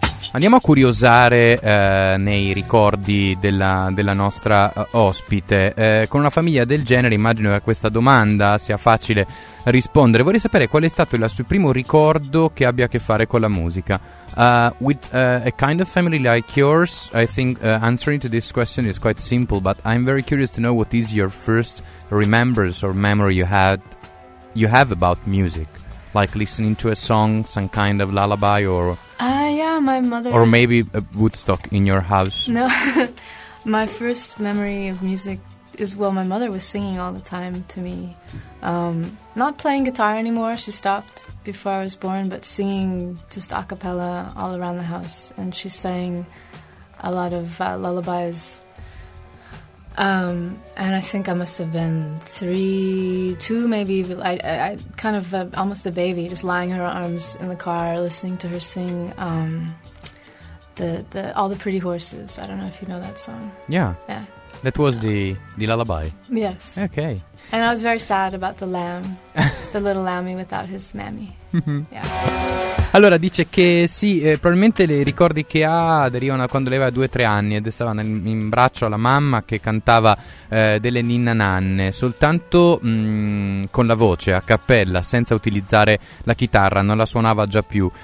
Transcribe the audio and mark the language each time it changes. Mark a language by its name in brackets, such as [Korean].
[Italian] Andiamo a curiosare nei ricordi della nostra ospite. Con una famiglia del genere immagino che a questa domanda sia facile rispondere. Vorrei sapere qual è stato il suo primo ricordo che abbia a che fare con la musica. [English] With a kind of family like yours, I think answering to this question is quite simple, but I'm very curious to know what is your first remembrance or memory you have about music, like listening to a song, some kind of lullaby or... Yeah, my mother... Or maybe a Woodstock in your house. No, my first memory of music is, well, my mother was singing all the time to me. Not playing guitar anymore, she stopped before I was born, but singing just a cappella all around the house. And she sang a lot of lullabies. And I think I must have been two maybe. I kind of almost a baby, just lying in her arms in the car, listening to her sing the All the Pretty Horses. I don't know if you know that song. Yeah. Yeah. That was the lullaby. Yes. Okay. And I was very sad about the lamb, the little lammy without his mammy. Yeah. [Italian] Allora, dice che sì, probabilmente i ricordi che ha derivano da quando lei aveva 2-3 anni ed stava in braccio alla mamma che cantava delle ninna nanne, soltanto con la voce, a cappella, senza utilizzare la chitarra, non la suonava già più.